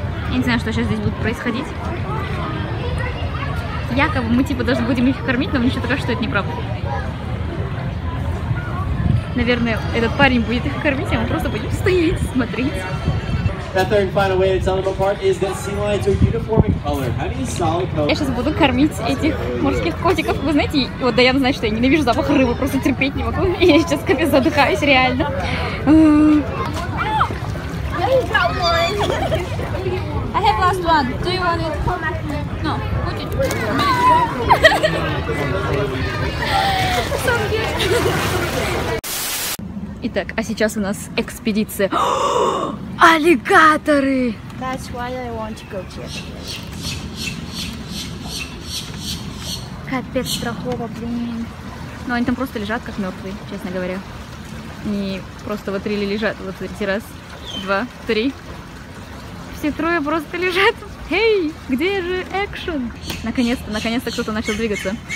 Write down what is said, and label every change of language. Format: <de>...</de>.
<ru>Я не знаю, что сейчас здесь будет происходить. Якобы мы типа даже будем их кормить, но мне ещё кажется, что это неправда. Наверное, этот парень будет их кормить, а мы просто будем стоять, смотреть.</ru> <en>That third and final way to tell them apart is that sea lions are uniform in color. Having a solid coat.</en> <ru>Я сейчас буду кормить этих морских котиков. Вы знаете, вот Даяна знает, что я ненавижу запах рыбы, просто терпеть не могу. Я сейчас капец задыхаюсь, реально.</ru> <en>I have last one. Do you want it? No. Put it.</en> <ru>Итак, а сейчас у нас экспедиция. Аллигаторы!</ru> <en>That's why I want to go here.</en> <ru>Капец, страхово, блин. Ну, они там просто лежат, как мертвые, честно говоря. Они просто вот</ru> <en>рели</en> <ru>лежат. Вот смотрите, раз, два, три. Все трое просто лежат. Эй, где же экшен? Наконец-то кто-то начал двигаться.</ru>